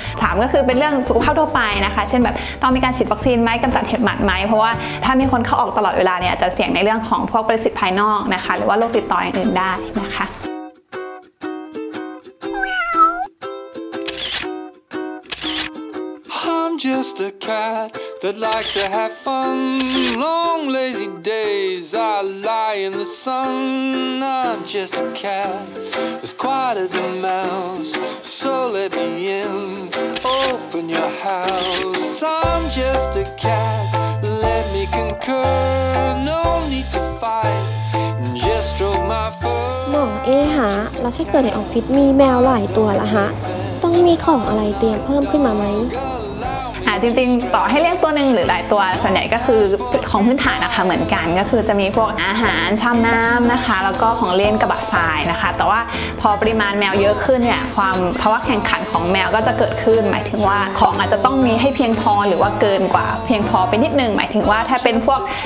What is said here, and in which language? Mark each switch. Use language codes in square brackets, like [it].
[th] ถามก็คือเป็นเรื่องสุขภาพทั่วไปนะคะเช่นแบบต้องมีการฉีดวัคซีนไหมกำจัดเห็บหมัดไหมเพราะว่าถ้ามีคนเข้าออกตลอดเวลาเนี่ยจะเสี่ยงในเรื่องของพวกปรสิตภายนอกนะคะหรือว่าโรคติดต่ออย่างอื่นได้นะคะ [en] Just a cat that likes to have fun. Long lazy days I lie in the sun. I'm just a cat as quiet as a mouse. So let me in, open your house. I'm just a cat, let me concur. No need to fight, just stroke my fur. [th] หมอเอฮะแล้วใช่เกิดในออฟฟิศมีแมวหลายตัวละฮะต้องมีของอะไรเตรียมเพิ่มขึ้นมาไหมจริงๆต่อให้เลี้ยงตัวหนึ่งหรือหลายตัวส่วนใหญ่ก็คือของพื้นฐานนะคะเหมือนกันก็คือจะมีพวกอาหารชามน้ำนะคะแล้วก็ของเล่นกระบะทรายนะคะแต่ว่าพอปริมาณแมวเยอะขึ้นเนี่ยความภาวะแข่งขันของแมวก็จะเกิดขึ้นหมายถึงว่าของอาจจะต้องมีให้เพียงพอหรือว่าเกินกว่าเพียงพอไปนิดนึงหมายถึงว่าถ้าเป็นพวก